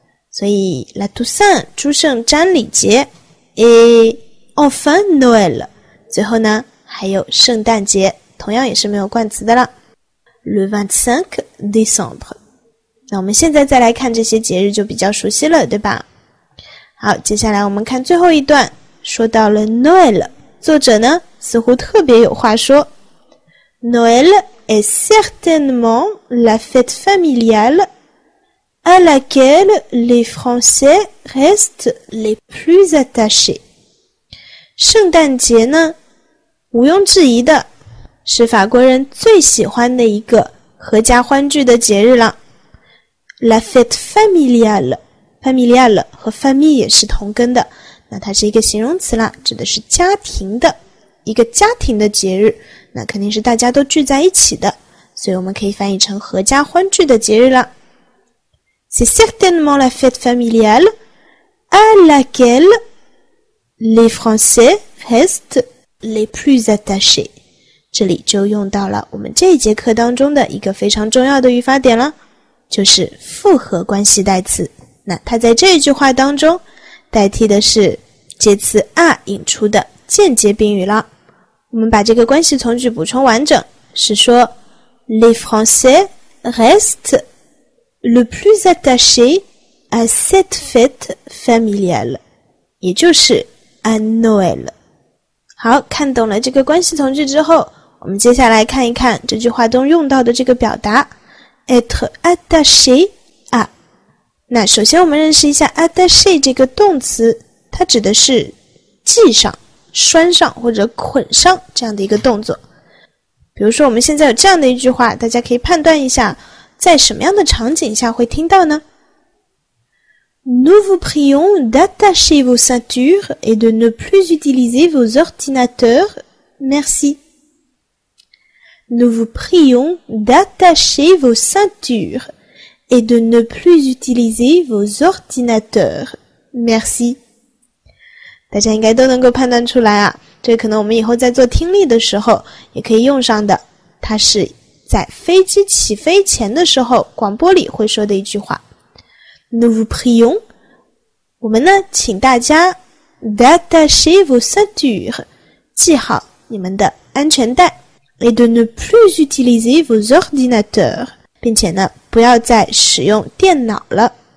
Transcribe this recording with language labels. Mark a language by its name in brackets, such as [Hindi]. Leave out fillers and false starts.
[Chinese] 所以 La Toussaint， 朱圣詹礼节， [French] et enfin Noël， [Chinese] 最后呢还有圣诞节，同样也是没有冠词的啦。 [French] Le 25 décembre， [Chinese] 那我们现在再来看这些节日就比较熟悉了，对吧？好，接下来我们看最后一段，说到了 Noël， 作者呢似乎特别有话说。 [French] Noël est certainement la fête familiale à laquelle les Français restent les plus attachés. [Chinese] 圣诞节呢，毋庸置疑的是法国人最喜欢的一个合家欢聚的节日了。 [French] La fête familiale， [Chinese] familiale 和 famille 是同根的，那它是一个形容词啦，指的是家庭的，一个家庭的节日，那肯定是大家都聚在一起的，所以我们可以翻译成合家欢聚的节日了。 [French] C'est certainement la fête familiale à laquelle les Français restent les plus attachés. [Chinese] 这里就用到了我们这一节课当中的一个非常重要的语法点了，就是复合关系代词。那它在这一句话当中代替的是介词 are 引出的间接宾语了。我们把这个关系从句补充完整，是说 [French] Les Français restent le plus attaché à cette fête familiale， 也就是 à Noël。 [Chinese] 好，看懂了这个关系从句之后，我们接下来看一看这句话中用到的这个表达 être attaché à。那首先我们认识一下 attaché 这个动词，它指的是系上、拴上或者捆上这样的一个动作。比如说我们现在有这样的一句话，大家可以判断一下在什么样的场景下会听到呢？ [French] Nous vous prions d'attacher vos ceintures et de ne plus utiliser vos ordinateurs. Merci. Nous vous prions d'attacher vos ceintures et de ne plus utiliser vos ordinateurs. Merci. [Chinese] 大家应该都能够判断出来啊，这可能我们以后在做听力的时候也可以用上的，它是在飞机起飞前的时候广播里会说的一句话。 [French] Nous vous prions， [Chinese] 我们呢请大家 [French] d'attacher vos ceintures， [Chinese] 系好你们的安全带， [French] et de ne plus utiliser vos ordinateurs， [Chinese] 并且呢不要再使用电脑了。